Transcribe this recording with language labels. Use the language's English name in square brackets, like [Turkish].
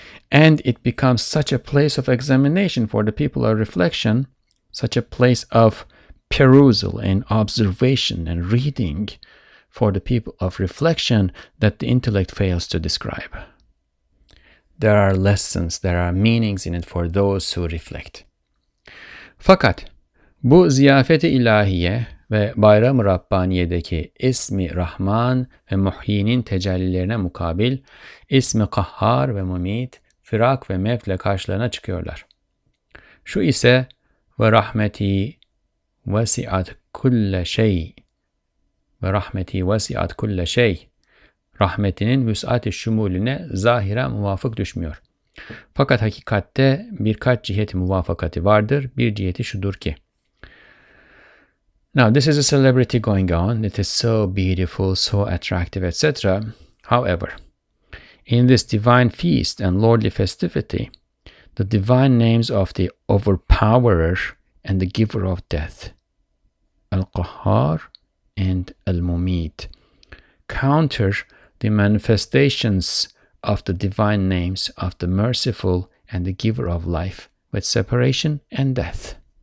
[English] And it becomes such a place of examination for the people of reflection, such a place of perusal and observation and reading for the people of reflection that the intellect fails to describe. There are lessons, there are meanings in it for those who reflect. [Turkish] Fakat bu ziyafeti ilahiye ve bayram-ı Rabbaniye'deki ismi Rahman ve Muhyi'nin tecellilerine mukabil ismi Kahhar ve Mumit, Firak ve Mevt ile karşılarına çıkıyorlar. Şu ise [Arabic] ve rahmeti vesiat kulle şey [Turkish] ve rahmeti vesiat kulle şey rahmetinin vüs'at-ı şumulüne zahire muvafık düşmüyor. Fakat hakikatte birkaç ciheti muvafakati vardır. Bir ciheti şudur ki. [English] Now this is a celebrity going on. It is so beautiful, so attractive, etc. However, in this divine feast and lordly festivity, the divine names of the overpowerer and the giver of death, Al-Qahhar and Al-Mumit, counter the manifestations of the divine names of the merciful and the giver of life with separation and death.